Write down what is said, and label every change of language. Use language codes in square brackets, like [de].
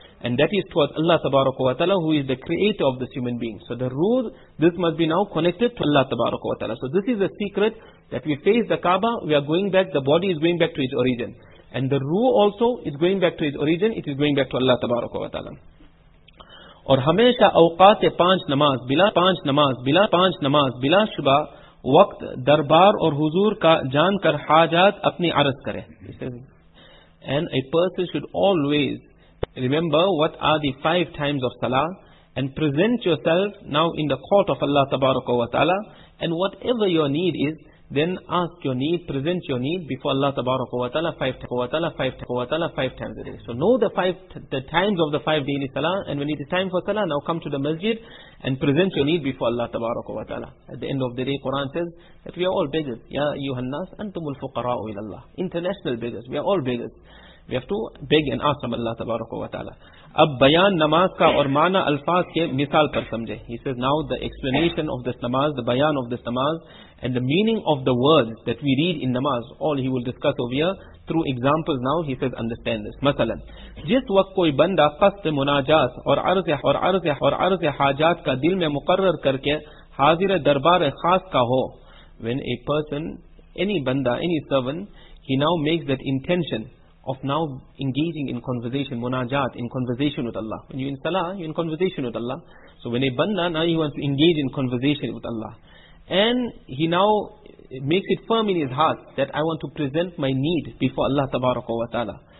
[en] And that is towards Allah Tabaraka wa Ta'ala, who is the creator of this human being. So the ruh, this must be now connected to Allah Tabaraka wa Ta'ala. So this is the secret, that we face the Kaaba, we are going back, the body is going back to its origin. And the ruh also is going back to its origin, it is going back to Allah Tabaraka wa Ta'ala. [ur] اور ہمیشہ اوقات پانچ نماز بلا شبہ وقت دربار اور حضور کا جان کر حاجات اپنی عرض کرے. [en] And a person should always remember what are the five times of salah and present yourself now in the court of Allah Tabaraka wa Ta'ala, and whatever your need is, then ask your need, present your need before Allah Tabaraka wa Ta'ala five times a day. So know the times of the five daily salah, and when it is time for salah, now come to the masjid and present your need before Allah Tabaraka wa Ta'ala. At the end of the day, Quran says that we are all beggars. [ar] Ya yuhannas antumul fuqara'u ilallah. [en] International beggars, we are all beggars. We have to beg and ask from Allah Tabaraka wa Ta'ala. [ur] اب بیان نماز کا اور معنی الفاظ کے مثال پر سمجھے. [en] He says now the explanation of this namaz, the bayan of this namaz, and the meaning of the words that we read in namaz, all he will discuss over here through examples. Now he says understand this. [ur] مثلا جس وقت کوئی بندہ قصد مناجات اور عرض حاجات کا دل میں مقرر کر کے حاضر دربار خاص کا ہو. [en] When a person, any bandha, any servant, he now makes that intention of now engaging in conversation, munajat, in conversation with Allah. When you're in salah, you're in conversation with Allah. So when a banda, now he wants to engage in conversation with Allah. And he now makes it firm in his heart that I want to present my need before Allah tabaraka wa ta'ala.